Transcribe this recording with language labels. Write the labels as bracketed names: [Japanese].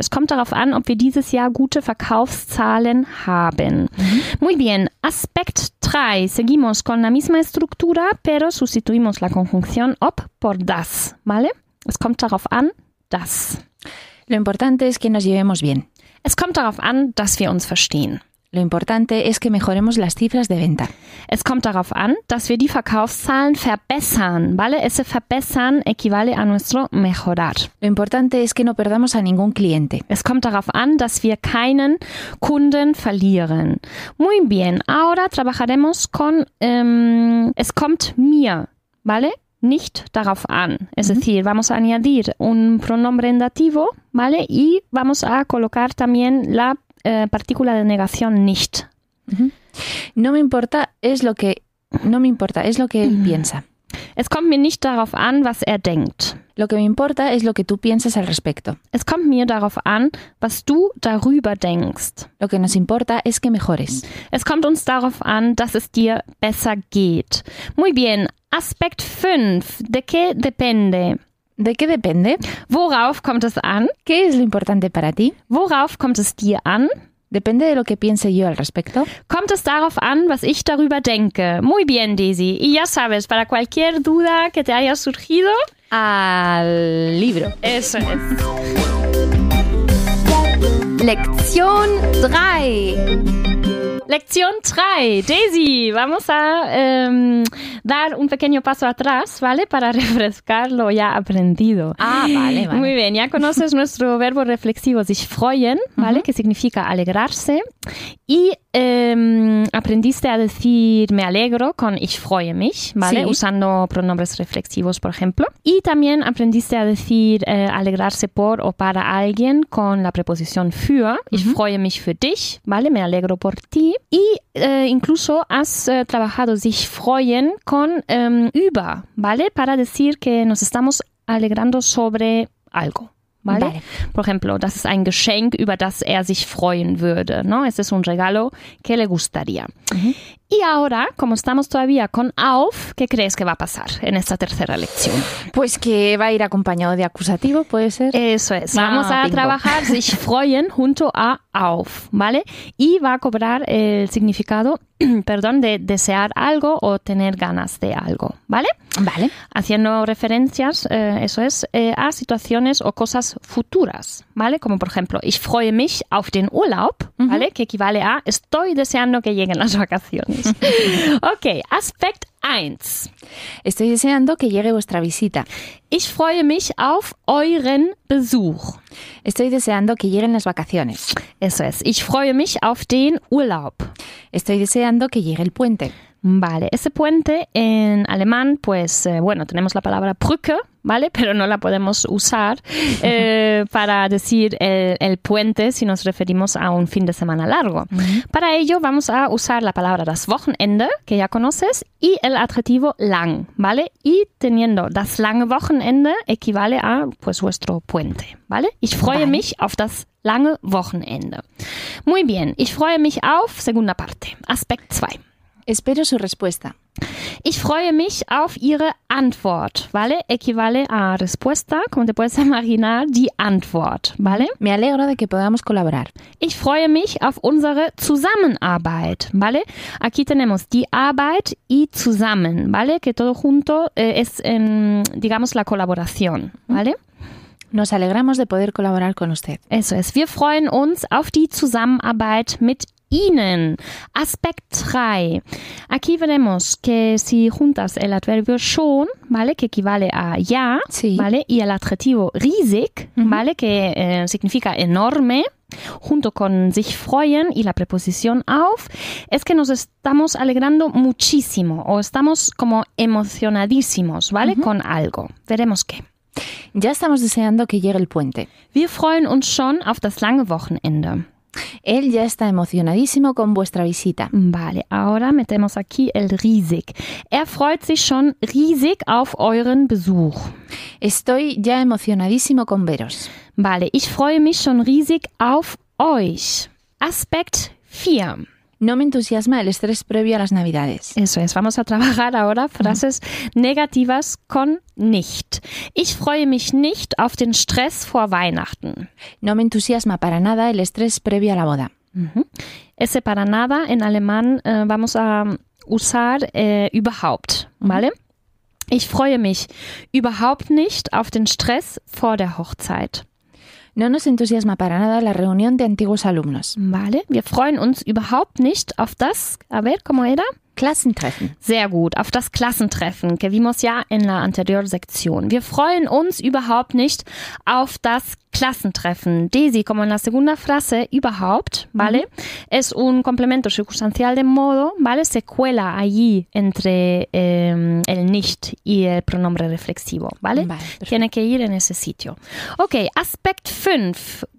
[German] Es kommt darauf an, ob wir dieses Jahr gute Verkaufszahlen haben. [Spanish] Muy bien. Aspect 3. Seguimos con la misma estructura, pero sustituimos la conjunción ob por das, ¿vale? [German] Es kommt darauf an, das. [Spanish] Lo importante es que nos llevemos bien. [German] Es kommt darauf an, dass wir uns verstehen. [Spanish] Lo importante es que mejoremos las cifras de venta. [German] Es kommt darauf an, dass wir die Verkaufszahlen verbessern, [Spanish] ¿vale? Ese verbessern equivale a nuestro mejorar. Lo importante es que no perdamos a ningún cliente. [German] Es kommt darauf an, dass wir keinen Kunden verlieren. [Spanish] Muy bien, ahora trabajaremos con [German] es kommt mir, [Spanish] ¿vale? [German] Nicht darauf an. [Spanish] Es decir, vamos a añadir un pronombre en dativo, ¿vale? Y vamos a colocar también la partícula de negación nicht. No me importa, es lo que, no me importa, es lo que piensa. [German] Es kommt mir nicht darauf an, was er denkt. [Spanish] Lo que me importa es lo que tú piensas al respecto. [German] Es kommt mir darauf an, was du darüber denkst. [Spanish] Lo que nos importa es que mejores. [German] Es kommt uns darauf an, dass es dir besser geht. [Spanish] Muy bien, Aspekt 5. ¿De qué depende? ¿De qué depende? [German] ¿Worauf kommt es an? [Spanish] ¿Qué es lo importante para ti? [German] ¿Worauf kommt es dir an? [Spanish] Depende de lo que piense yo al respecto. [German] Kommt es darauf an, was ich darüber denke. [Spanish] Muy bien, Daisy. Y ya sabes, para cualquier duda que te haya surgido... Al libro. Eso es. Lección 3. Lección 3. Daisy, vamos a dar un pequeño paso atrás, ¿vale? Para refrescar lo ya aprendido. Ah, vale. Muy bien, ya conoces nuestro verbo reflexivo sich freuen, ¿vale? Uh-huh. Que significa alegrarse. Y aprendiste a decir me alegro con [German] ich freue mich, [Spanish] ¿vale? Sí. Usando pronombres reflexivos, por ejemplo. Y también aprendiste a decir alegrarse por o para alguien con la preposición für. Uh-huh. [German] Ich freue mich für dich, [Spanish] ¿vale? Me alegro por ti. Y incluso has trabajado sich freuen con über, ¿vale? Para decir que nos estamos alegrando sobre algo, ¿vale? Vale. Por ejemplo, [German] das ist ein Geschenk, über das er sich freuen würde, [Spanish] ¿no? [German] Es ist [Spanish] un regalo que le gustaría. Uh-huh. Y ahora, como estamos todavía con auf, ¿qué crees que va a pasar en esta tercera lección? Pues que va a ir acompañado de acusativo, ¿puede ser? Eso es. No, vamos a bingo. Trabajar sich freuen junto a auf, ¿vale? Y va a cobrar el significado, perdón, de desear algo o tener ganas de algo, ¿vale? Vale. Haciendo referencias, eso es, a situaciones o cosas futuras, ¿vale? Como por ejemplo, [German] ich freue mich auf den Urlaub, [Spanish] ¿vale? Uh-huh. Que equivale a estoy deseando que lleguen las vacaciones. [English] Ok, aspect 1. [Spanish] Estoy deseando que llegue vuestra visita. [German] Ich freue mich auf euren Besuch. [Spanish] Estoy deseando que lleguen las vacaciones. Eso es. [German] Ich freue mich auf den Urlaub. [Spanish] Estoy deseando que llegue el puente. Vale. Ese puente en alemán, pues, bueno, tenemos la palabra Brücke, ¿vale? Pero no la podemos usar para decir el puente si nos referimos a un fin de semana largo. Para ello, vamos a usar la palabra das Wochenende, que ya conoces, y el adjetivo lang, ¿vale? Y teniendo [German] das lange Wochenende [Spanish] equivale a, pues, vuestro puente, ¿vale? [German] Ich freue mich auf das lange Wochenende. [Spanish] Muy bien. [German] Ich freue mich auf, [Spanish] segunda parte, [German] Aspekt 2. [Spanish] Espero su respuesta. [German] Ich freue mich auf Ihre Antwort. [Spanish] Vale, equivale a respuesta, como te puedes imaginar, die Antwort. Vale? Me alegro de que podamos colaborar. [German] Ich freue mich auf unsere Zusammenarbeit. [Spanish] Vale? Aquí tenemos die Arbeit y zusammen. Vale? Que todo junto es, digamos, la colaboración. Vale? Nos alegramos de poder colaborar con usted. Eso es. [German] Wir freuen uns auf die Zusammenarbeit mit Ihnen. [English] Aspect 3. [Spanish] Aquí veremos que si juntas el adverbio schon, ¿vale? Que equivale a ya, sí. ¿Vale? Y el adjetivo riesig, mm-hmm. ¿Vale? Que significa enorme, junto con sich freuen y la preposición auf, es que nos estamos alegrando muchísimo o estamos como emocionadísimos, ¿vale? Mm-hmm. Con algo. Veremos qué. Ya estamos deseando que llegue el puente. [German] Wir freuen uns schon auf das lange Wochenende. [Spanish] Él ya está emocionadísimo con vuestra visita. Vale, ahora metemos aquí el riesig. [German] Er freut sich schon riesig auf euren Besuch. [Spanish] Estoy ya emocionadísimo con veros. Vale, [German] ich freue mich schon riesig auf euch. [English] Aspect 4. [Spanish] No me entusiasma el estrés previo a las Navidades. Eso es, vamos a trabajar ahora frases negativas con nicht. [German] Ich freue mich nicht auf den Stress vor Weihnachten. [Spanish] No me entusiasma para nada el estrés previo a la boda. Uh-huh. Ese para nada en alemán vamos a usar überhaupt, ¿vale? Uh-huh. [German] Ich freue mich überhaupt nicht auf den Stress vor der Hochzeit. [Spanish] No nos entusiasma para nada la reunión de antiguos alumnos. [German] Vale, wir freuen uns überhaupt nicht auf das, [Spanish] a ver, ¿cómo era? [German] Klassentreffen. Sehr gut, auf das Klassentreffen, [Spanish] que vimos ya en la anterior sección. [German] Wir freuen uns überhaupt nicht auf das Klassentreffen. [Spanish] Daisy, como en la segunda frase, überhaupt, ¿vale? Mhm. Es un complemento circunstancial de modo, ¿vale? Se cuela allí entre el nicht y el pronombre reflexivo, ¿vale? Vale, perfecto. Tiene que ir en ese sitio. [English] Ok, aspect 5.